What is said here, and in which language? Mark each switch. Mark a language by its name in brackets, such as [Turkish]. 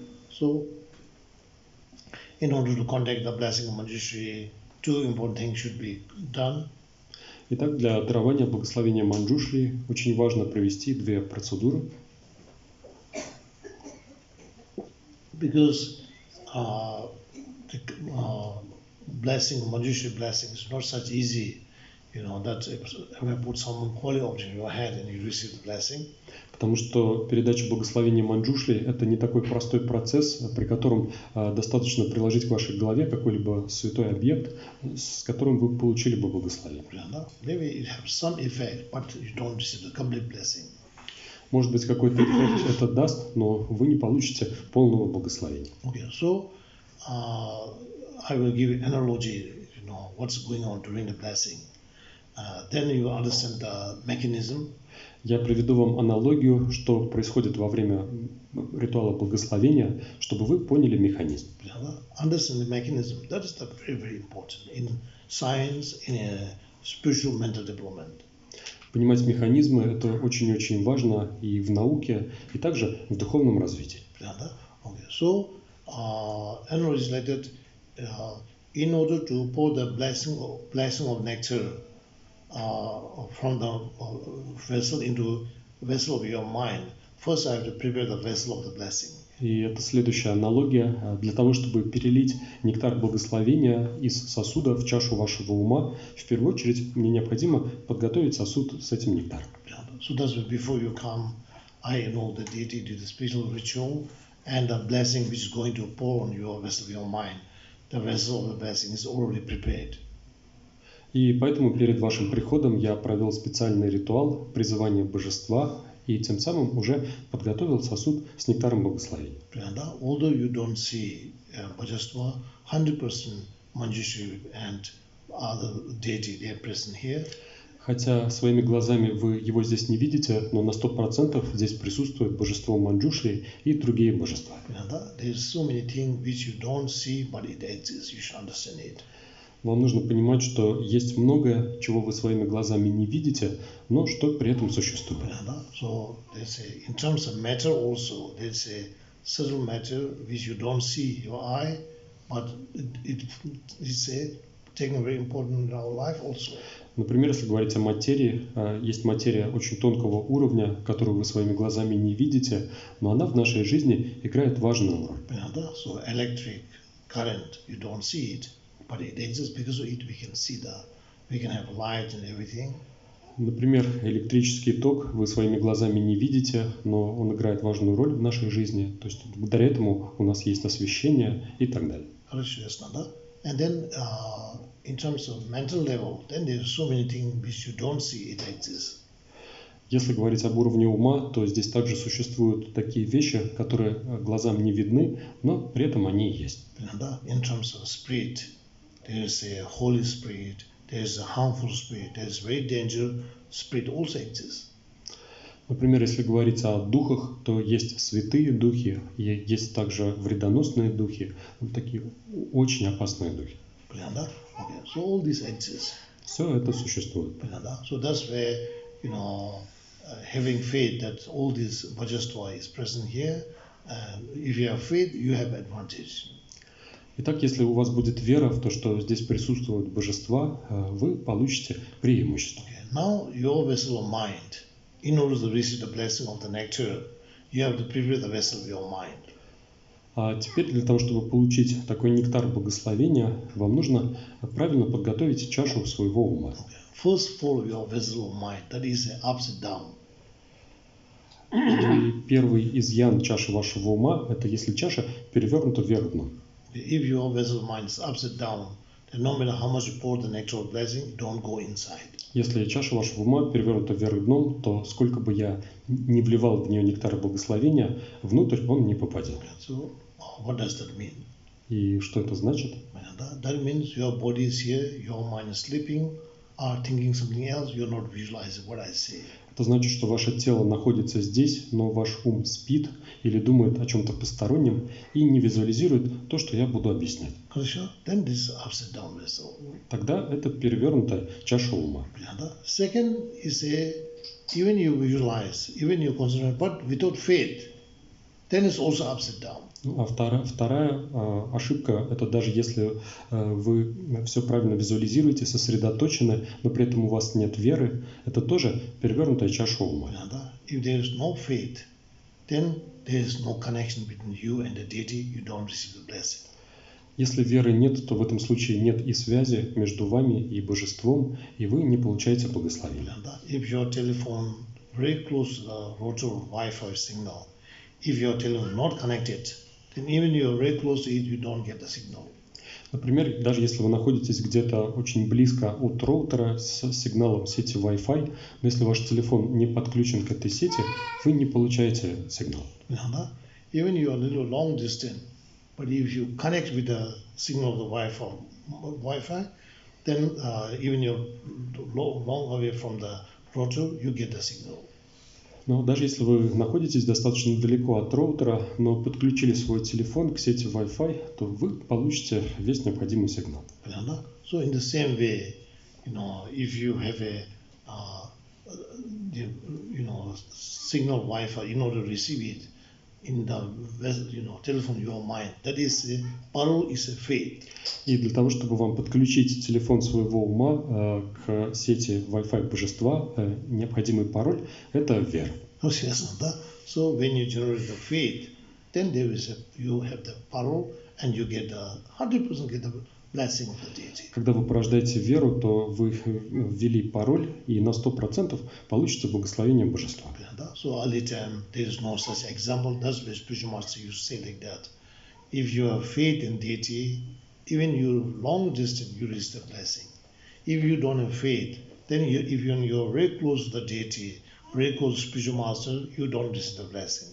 [English] So, in order to contact the blessing of Manjushri, two important things should be done. [Russian] Итак, для дарования благословения Манджушри очень важно провести две процедуры. [English] Because blessing of Manjushri blessing is not such easy. You know, that if you put some holy object in your head and you receive the blessing. [Russian] Потому что передача благословения Манджушри – это не такой простой процесс, при котором достаточно приложить к вашей голове какой-либо святой объект, с которым вы получили бы благословение. Может быть, какой-то эффект это даст, но вы не получите полного благословения. [English] Okay, so I will give you an analogy, you know, what's going on during the blessing. Then you understand the mechanism. [Russian] Я приведу вам аналогию, что происходит во время ритуала благословения, чтобы вы поняли механизм. [English] Understand the mechanism. That is very, very important in science, in a spiritual mental development. [Russian] Понимать механизмы – это очень-очень важно и в науке, и также в духовном развитии. [English] Okay. So, analogy is like that. In order to pour the blessing of nectar, from the vessel into vessel of your mind. First, I have to prepare the vessel of the blessing. [Russian] И это следующая аналогия. Для того, чтобы перелить нектар благословения из сосуда в чашу вашего ума, в первую очередь мне необходимо подготовить сосуд с этим нектаром. [English] So that's why before you come, I know the deity did a special ritual, and the blessing which is going to pour on your vessel of your mind, the vessel of the blessing is already prepared. [Russian] И поэтому перед вашим приходом я провел специальный ритуал призывания божества и тем самым уже подготовил сосуд с нектаром благословения. [English] Although you don't see божество 100% Manjushri and other deity they are present here. [Russian] Хотя своими глазами вы его здесь не видите, но на 100% здесь присутствует божество Манджушри и другие божества. [English] There is so many things which you don't see, but it exists. You should understand it. [Russian] Вам нужно понимать, что есть многое, чего вы своими глазами не видите, но что при этом существует. [English] So they say in terms of matter also, they say subtle matter which you don't see your eye, but it's taking a very important in our life also. [Russian] Например, если говорить о материи, есть материя очень тонкого уровня, которую вы своими глазами не видите, но она в нашей жизни играет важную роль. [English] So electric current, you don't see it. But it exists because of it. We can see that. We can have light and everything. [Russian] Например, электрический ток вы своими глазами не видите, но он играет важную роль в нашей жизни. То есть благодаря этому у нас есть освещение и так далее. [English] And then, in terms of mental level, then there are so many things which you don't see. It exists. [Russian] Если говорить об уровне ума, то здесь также существуют такие вещи, которые глазам не видны, но при этом они есть. [English] In terms of spirit. There is a holy spirit, there is a harmful spirit, there is very dangerous spirit also exists. [Russian] Например, если говорить о духах, то есть святые духи, есть также вредоносные духи, такие очень опасные духи. Понятно? [English] Okay. So all this exists. [Russian] Все это существует. Понятно? [English] So that's where, you know, having faith that all this bhajastva is present here, if you have faith, you have advantage. [Russian] Итак, если у вас будет вера в то, что здесь присутствуют божества, вы получите преимущество. [English] Okay. Now your vessel of mind, in order to receive the blessing of the nectar, you have to prepare the vessel of your mind. [Russian] А теперь для того, чтобы получить такой нектар благословения, вам нужно правильно подготовить чашу своего ума. [English] First, follow your vessel of mind. That is upside down. [Russian] И первый изъян чаши вашего ума – это если чаша перевернута вверх дном. [English] If your vessel mind is upside down, then no matter how much you pour the nectar of blessing, don't go inside. [Russian] Если чаша вашего ума перевернута вверх дном, то сколько бы я не вливал в нее нектара благословения, внутрь он не попадет. [English] So, what does that mean? [Russian] И что это значит? [English] That means your body is here, your mind is sleeping, are thinking something else, you're not visualizing what I say. [Russian] Это значит, что ваше тело находится здесь, но ваш ум спит или думает о чем-то постороннем и не визуализирует то, что я буду объяснять. Хорошо? [English] Then this upside down vessel. [Russian] Тогда это перевернутая чаша ума. [English] Second is a, even you visualize, even you concentrate, but without faith, then it's also upside down. [Russian] Ну, а вторая ошибка – это даже если вы все правильно визуализируете, сосредоточены, но при этом у вас нет веры, это тоже перевернутая чаша ума. [English] If there is no faith, then there is no connection between you and the deity, you don't receive the blessing. [Russian] Если веры нет, то в этом случае нет и связи между вами и божеством, и вы не получаете благословения. [English] If your telephone very close to the rotor Wi-Fi signal, if your telephone not connected, then even you are very close to it, you don't get the signal. [Russian] Например, даже если вы находитесь где-то очень близко от роутера с сигналом сети Wi-Fi, но если ваш телефон не подключен к этой сети, вы не получаете сигнал. [English] Even you are a little long distance, but if you connect with the signal of the Wi-Fi, then even you're long away from the rotor, you get the signal. [Russian] Но даже если вы находитесь достаточно далеко от роутера, но подключили свой телефон к сети Wi-Fi, то вы получите весь необходимый сигнал. Понятно? [English] So in the same way, you know, if you have a you know, signal Wi-Fi in order to receive it in the vessel, you know, telephone your mind, that is a paro is a faith. [Russian] И для того, чтобы вам подключить телефон своего ума к сети Wi-Fi божества, необходимый пароль – это вера. Ну, ясно, да? [English] So when you generate the faith, then there is a, you have the paro and you get the 100% get the blessing of the deity. [Russian] Когда вы порождаете веру, то вы ввели пароль и на 100% получите благословение божества. Да? [English] So all the time, there is no such example. That's why spiritual master used to say like that. If you have faith in deity, even you long distance, you receive the blessing. If you don't have faith, then you, if you're very close to the deity, very close to spiritual master, you don't receive the blessing.